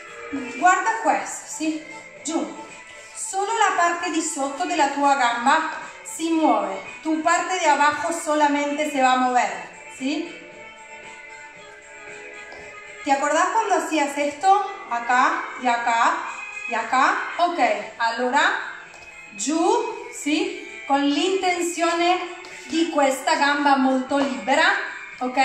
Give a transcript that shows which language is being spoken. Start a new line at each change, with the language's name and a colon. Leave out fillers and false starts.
Italian: guarda questo, sì, giù, solo la parte di sotto della tua gamba si muove,
Spanish: tu parte di abajo solamente se va
Italian: a muovere, sì?
Spanish: ¿Te acordás cuando hacías esto? Acá, y acá, y acá.
Italian: Ok, allora, giù, sí, con l'intenzione di questa gamba molto libera, ok?